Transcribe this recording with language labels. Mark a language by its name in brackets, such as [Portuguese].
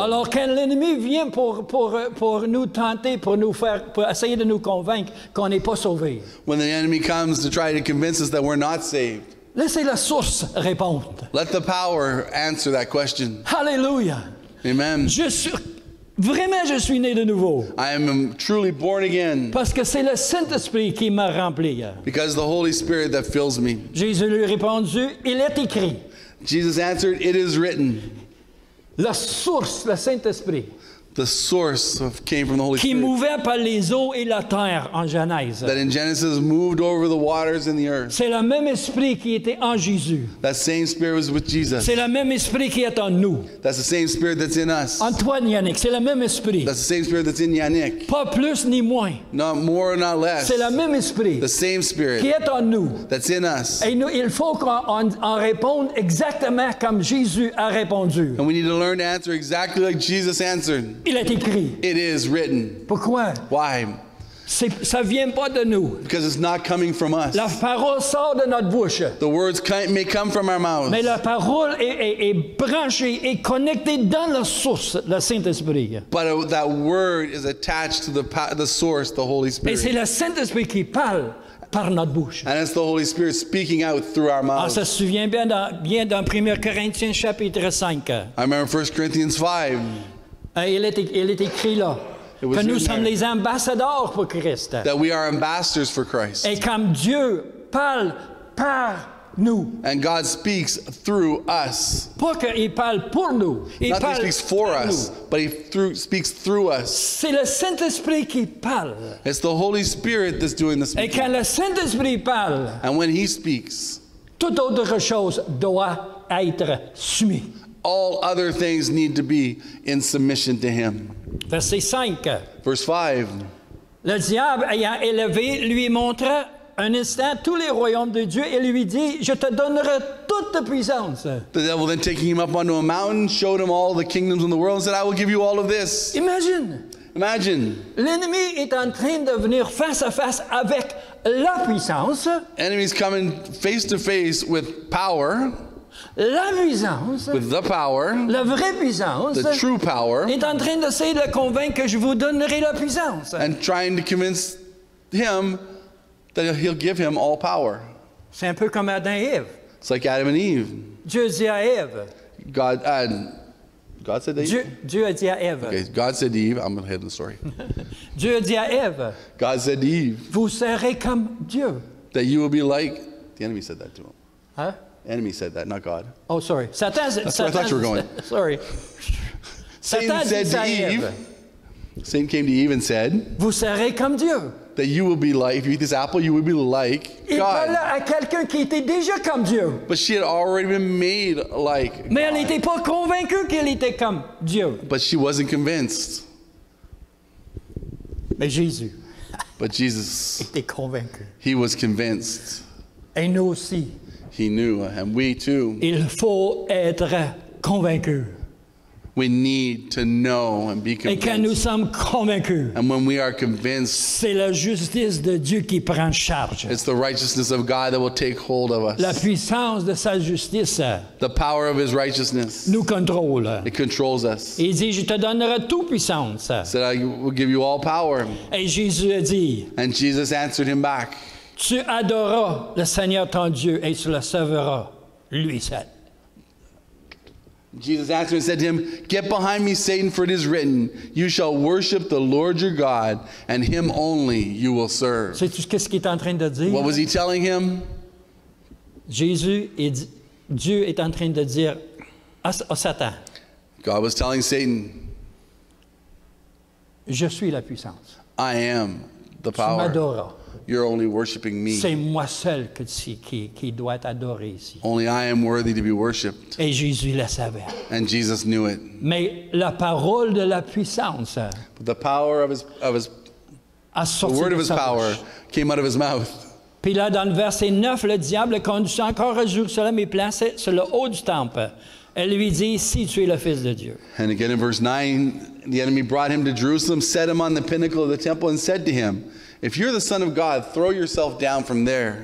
[French] Alors quand l'ennemi vient pour nous tenter, pour essayer de nous convaincre qu'on n'est pas sauvé. [English] When the enemy comes to try to convince us that we're not saved. [French] Laissez la source répondre. [English] Let the power answer that question. Hallelujah. Amen. [French] Vraiment, je suis né de nouveau. [English] I am truly born again. [French] Parce que c'est le Saint-Esprit qui m'a rempli. [English] Because the Holy Spirit that fills me. [French] Jésus lui répondu, il est écrit. [English] Jesus answered, it is written. [French] La source, le Saint-Esprit. [English] The source of, came from the Holy [French] qui [English] Spirit. [French] Mouvait par les eaux et la terre en Genèse. [English] That in Genesis moved over the waters and the earth. [French] C'est le même esprit qui était en Jésus. [English] That same spirit was with Jesus. [French] C'est le même esprit qui est en nous. [English] That's the same spirit that's in us. [French] Antoine Yannick, c'est le même esprit. [English] That's the same spirit that's in Yannick. [French] Pas plus ni moins. [English] Not more, not less. [French] C'est le même esprit. [English] The same spirit. [French] Qui est en nous. [English] That's in us. [French] Et nous, il faut qu'on réponde exactement comme Jésus a répondu. [English] And we need to learn to answer exactly like Jesus answered. [French] Il est écrit. [English] It is written. [French] Pourquoi? [English] Why? [French] Ça vient pas de nous. [English] Because it's not coming from us. [French] La parole sort de notre bouche. [English] The words may come from our mouths. [French] Mais la parole est branchée et connectée dans la source, le Saint-Esprit. [English] But that word is attached to the source, the Holy Spirit. [French] Et c'est le Saint-Esprit qui parle. [English] And it's the Holy Spirit speaking out through our mouths. [French] Ah, ça se souvient bien dans 1 Corinthiens chapitre 5. [English] I remember 1 Corinthians 5. [French] Il est écrit là. Que nous sommes les ambassadeurs pour Christ. [English] That we are ambassadors for Christ. [French] Et comme Dieu parle par nous. [English] And God speaks through us. [French] Pas qu'il parle pour nous. [English] Not that he speaks for us, but he speaks through us. [French] C'est le Saint-Esprit qui parle. [English] It's the Holy Spirit that's doing the speaking. [French] Et quand le Saint-Esprit parle. [English] And when he speaks. [French] Toute autre chose doit être soumise. [English] All other things need to be in submission to him. [French] Verset 5. [English] Verse 5. [French] Le diable ayant élevé lui montra un instant tous les royaumes de Dieu et lui dit, je te donnerai toute puissance. [English] The devil then taking him up onto a mountain showed him all the kingdoms in the world and said, I will give you all of this. [French] Imagine. L'ennemi est en train de venir face à face avec la puissance. [English] Enemy's coming face to face with power. [French] La puissance, [English] with the power, [French] la vraie puissance, [English] the true power, [French] est en train d'essayer de convaincre que je vous donnerai la puissance. [English] And trying to convince him that he'll give him all power. [French] C'est un peu comme Adam et Eve. [English] It's like Adam and Eve. [French] Dieu dit à Eve. [English] God said to Eve. [French] Dieu a dit à Eve. [English] Okay, God said to Eve. I'm ahead in the story. [French] Dieu a dit à Eve. [English] God said to Eve. [French] Vous serez comme Dieu. [English] That you will be like. The enemy said that to him. Huh? Enemy said that, not God. Oh, sorry. Satan, I thought you were going. Sorry. Satan said to Eve. Satan came to Eve and said. [French] Vous serez comme Dieu. [English] That you will be like, if you eat this apple, you will be like God. [French] Il parlait à quelqu'un qui était déjà comme Dieu. [English] But she had already been made like God. [French] Mais elle n'était pas convaincue qu'elle était comme Dieu. [English] But she wasn't convinced. [French] Mais Jésus. [English] But Jesus. [French] Était convaincu. [English] He was convinced. [French] Et nous aussi. [English] He knew, and we too. [French] Il faut être convaincu. [English] We need to know and be convinced. [French] Et quand nous sommes convaincus, [English] and when we are convinced, [French] c'est la justice de Dieu qui prend charge. [English] It's the righteousness of God that will take hold of us. [French] La puissance de sa justice. [English] The power of his righteousness. [French] Nous contrôle. [English] It controls us. [French] Il dit, je te donnerai toute puissance. [English] He said, I will give you all power. [French] Et Jésus a dit, [English] and Jesus answered him back. [French] Tu adoreras le Seigneur ton Dieu et tu le serviras lui seul. [English] Jesus answered and said to him, get behind me, Satan, for it is written, you shall worship the Lord your God and him only you will serve. [French] Sais-tu qu'est-ce qu'il est en train de dire? [English] What was he telling him? [French] Jésus et Dieu est en train de dire à Satan. [English] God was telling Satan, [French] je suis la puissance. [English] I am the power. [French] Tu m'adoreras. [English] You're only worshiping me. [French] C'est moi seul qui doit être adoré ici. [English] Only I am worthy to be worshipped. [French] Et Jésus le savait. [English] And Jesus knew it. [French] Mais la parole de la puissance. [English] But the power of his [French] a sorti [English] the word of his power [French] bouche. [English] Came out of his mouth. [French] Puis là, dans le verset 9, le diable conduit encore à Jérusalem et placé sur le haut du temple. Elle lui dit, si tu es le Fils de Dieu. [English] And again in verse 9, the enemy brought him to Jerusalem, set him on the pinnacle of the temple, and said to him, If you're the Son of God, throw yourself down from there.